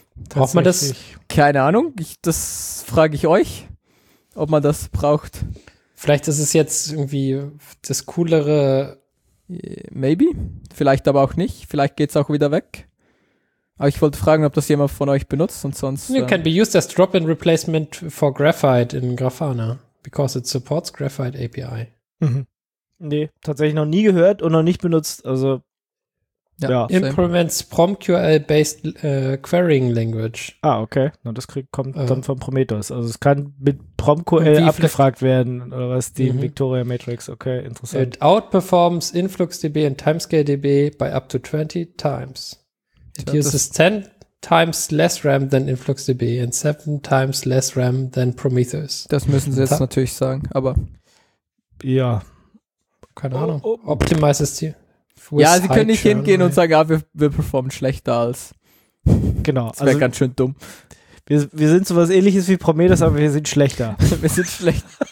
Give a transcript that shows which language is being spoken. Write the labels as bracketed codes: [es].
[de] Braucht man das? Keine Ahnung, das frage ich euch, ob man das braucht. Vielleicht ist es jetzt irgendwie das coolere. Maybe, vielleicht aber auch nicht. Vielleicht geht es auch wieder weg. Aber ich wollte fragen, ob das jemand von euch benutzt und sonst. [en] It can be used as drop-in replacement for Graphite in Grafana, because it supports Graphite API. Mhm. [de] Nee, tatsächlich noch nie gehört und noch nicht benutzt. Also. [en] Ja, implements PromQL-based querying language. [de] Ah, okay. Na, das kommt dann von Prometheus. Also es kann mit PromQL abgefragt werden, oder was? Die Victoria Matrix. Okay, interessant. It [en] outperforms InfluxDB and TimescaleDB by up to 20 times. It uses 10 times less RAM than InfluxDB and 7 times less RAM than Prometheus. [de] Das müssen sie jetzt natürlich sagen, aber ja. Keine Ahnung. Optimizes die. Ja, sie können nicht hingehen und sagen, ah, wir performen schlechter als. Genau. Das wäre also ganz schön dumm. Wir sind sowas ähnliches wie Prometheus, aber wir sind schlechter. Wir sind schlechter.